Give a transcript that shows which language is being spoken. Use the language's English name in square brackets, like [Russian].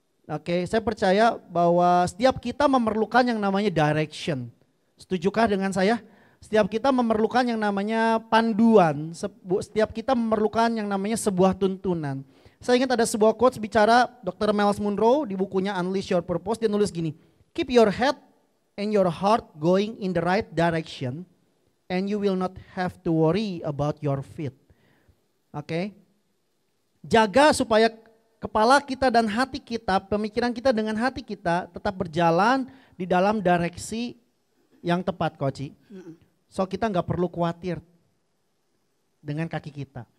[Indonesian] Oke, saya percaya bahwa setiap kita memerlukan yang namanya direction. Setujukah dengan saya? Setiap kita memerlukan yang namanya panduan. Setiap kita memerlukan yang namanya sebuah tuntunan. Saya ingat ada sebuah quotes bicara Dr. Miles Monroe di bukunya Unleash Your Purpose. [English] Dia nulis gini, keep your head and your heart going in the right direction and you will not have to worry about your feet. [Indonesian] Oke, jaga supaya kepala kita dan hati kita, pemikiran kita dengan hati kita tetap berjalan di dalam direksi yang tepat, Koci. So kita gak perlu khawatir dengan kaki kita.